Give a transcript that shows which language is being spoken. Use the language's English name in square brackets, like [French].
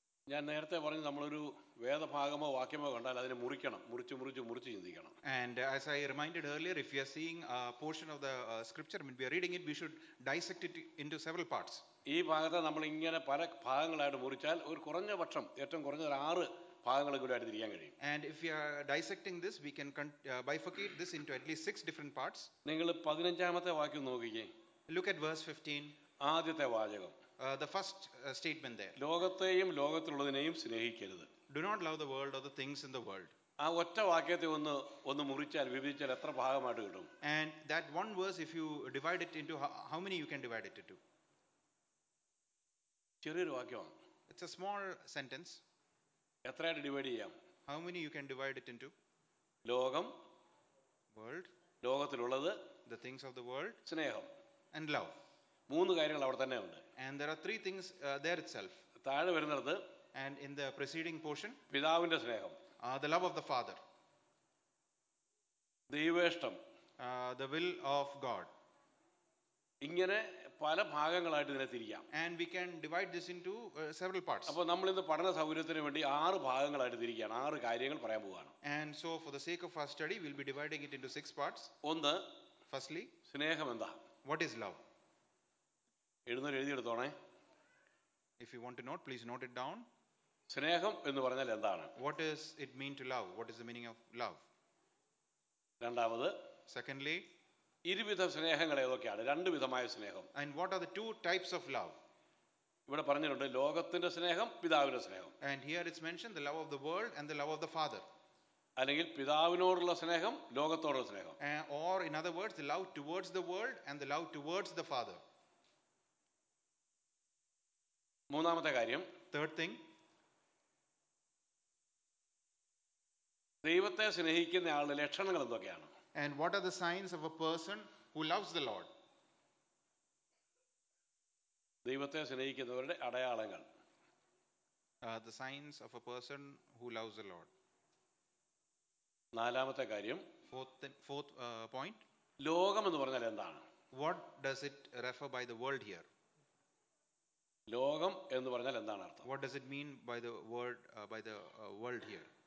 [Malayalam] ഞാൻ നേരത്തെ പറഞ്ഞു, നമ്മളൊരു വേദഭാഗമോ വാക്യമോ കണ്ടാൽ അതിനെ മുറിക്കണം, മുറിച്ച് മുറിച്ച് മുറിച്ച് ചിന്തിക്കണം. [English] And as I reminded earlier, if you are seeing a portion of the scripture, when we are reading it, we should dissect it into several parts. [Malayalam] ഈ ഭാഗത്തെ നമ്മൾ ഇങ്ങനെ പല ഭാഗങ്ങളായിട്ട് മുറിച്ചാൽ ഒരു കുറഞ്ഞ പക്ഷം, ഏറ്റവും കുറഞ്ഞത് 6 ഭാഗങ്ങളെ കൂടി ആയിട്ട് തിരിക്കാൻ കഴിയും. [English] And if you are dissecting this, we can bifurcate this into at least 6 different parts. [Malayalam] നിങ്ങൾ 15-ാമത്തെ വാക്യം നോക്കിക്കേ. [English] Look at verse 15. [Malayalam] ആദ്യത്തെ വാചകം. [English] The first statement there. [Malayalam] ലോകത്തെയും ലോകത്തിലുള്ളതിനെയും സ്നേഹിക്കരുത്. [English] Do not love the world or the things in the world. [Malayalam] ആ ഒറ്റ വാക്യത്തെ ഒന്ന് ഒന്ന് മുറിച്ചാൽ വിഭജിച്ചാൽ എത്ര ഭാഗമായിട്ട് കിട്ടും? [English] And that one verse, if you divide it into how many you can divide it into? [Malayalam] ചെറിയൊരു വാക്യം. [English] It's a small sentence. [Malayalam] എത്രയായിട്ട് divide ചെയ്യാം? [English] How many you can divide it into? [Malayalam] ലോകം, [English] world, [Malayalam] ലോകത്തിലുള്ളത്, [English] the things of the world, [Malayalam] സ്നേഹം, [English] and love. [Malayalam] മൂന്ന് കാര്യങ്ങൾ അവിടെ തന്നെ ഉണ്ട്. [English] And there are 3 things there itself. [Malayalam] താഴെ വരുന്നത്, [English] and in the preceding portion, [Malayalam] പിതാവിന്റെ സ്നേഹം, [English] the love of the father, [Malayalam] ദൈവേഷ്ടം, [English] the will of God. [Malayalam] ഇങ്ങനെ പല ഭാഗങ്ങളായിട്ട് ഇതിനെ തിരിക്കാം. [English] And we can divide this into several parts. [Malayalam] അപ്പോൾ നമ്മൾ ഇന്ന് പഠന സൗകര്യത്തിന് വേണ്ടി ആറ് ഭാഗങ്ങളായിട്ട് തിരിക്കാണ്, ആറ് കാര്യങ്ങൾ പറയാൻ പോവുകയാണ്. [English] And so for the sake of our study we'll be dividing it into six parts. [Malayalam] ഒന്ന്, [English] firstly, [Malayalam] സ്നേഹം എന്താ? [English] What is love? [Malayalam] എഴുന്നൂർ എഴുതി എടുത്തോണേ. [English] If you want to note, please note it down. [Malayalam] സ്നേഹം എന്ന് പറഞ്ഞാൽ എന്താണ്? [English] What does it mean to love? What is the meaning of love? [Malayalam] രണ്ടാമത്, [English] secondly, [Malayalam] ഇരുവിധ സ്നേഹങ്ങൾ ഏതൊക്കെയാണ്, രണ്ട് വിധമായ സ്നേഹം. [English] And what are the two types of love? [Malayalam] ഇവിടെ പറഞ്ഞിട്ടുണ്ട് ലോകത്തിന്റെ സ്നേഹം, പിതാവിന്റെ സ്നേഹം. [English] And here it's mentioned the love of the world and the love of the father. [Malayalam] അല്ലെങ്കിൽ പിതാവിനോടുള്ള സ്നേഹം, ലോകത്തോടുള്ള സ്നേഹം. [English] Or in other words, the love towards the world and the love towards the father. [Malayalam] മൂന്നാമത്തെ കാര്യം, [English] third thing, [Malayalam] ദൈവത്തെ സ്നേഹിക്കുന്ന ആളുടെ ലക്ഷണങ്ങൾ എന്തൊക്കെയാണ്? [English] And what are the signs of a person who loves the Lord? [Malayalam] ദൈവത്തെ സ്നേഹിക്കുന്നവരുടെ അടയാളങ്ങൾ. [English] The signs of a person who loves the Lord. [Malayalam] നാലാമത്തെ കാര്യം, [English] fourth point, [Malayalam] ലോകം എന്ന് പറഞ്ഞാൽ എന്താണ്? [English] What does it refer by the world here? [Malayalam] ലോകം എന്ന് പറഞ്ഞാൽ എന്താണ് അർത്ഥം? [English] What does it mean by the word by the world here?